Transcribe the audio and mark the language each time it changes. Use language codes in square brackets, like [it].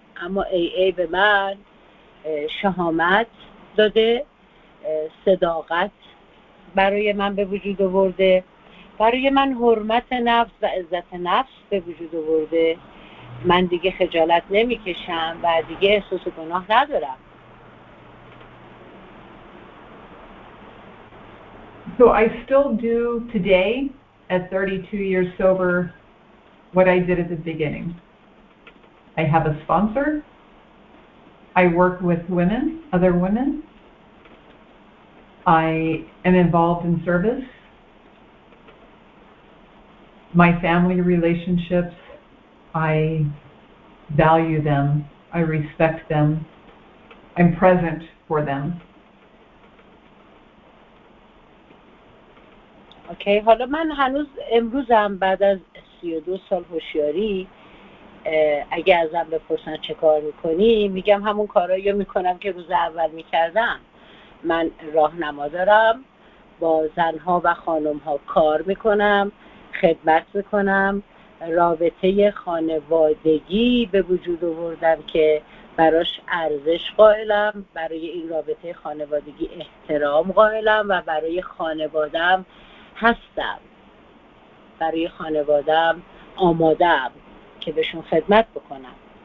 [fa] اما ای به من شهامت داده، صداقت برای من به وجود آورده، برای من حرمت نفس و عزت نفس به وجود آورده. من دیگه خجالت نمی کشم و دیگه احساس گناه ندارم. [en] So I still do today at 32 years sober what I did at the beginning. I have a sponsor. I work with women, other women. I am involved in service. My family relationships, I value them. I respect them. I'm present for them. [fa] اوکی، حالا من هنوز امروزم بعد از 32 سال هوشیاری اگه ازم بپرسن چه کار میکنی، میگم همون کارهایی میکنم که روز اول میکردم. من راهنما دارم، با زنها و خانمها کار میکنم، خدمت میکنم، رابطه خانوادگی به وجود آوردم که براش ارزش قائلم، برای این رابطه خانوادگی احترام قائلم و برای خانوادم هستم، برای خانوادم آمادم که بهشون خدمت بکنم.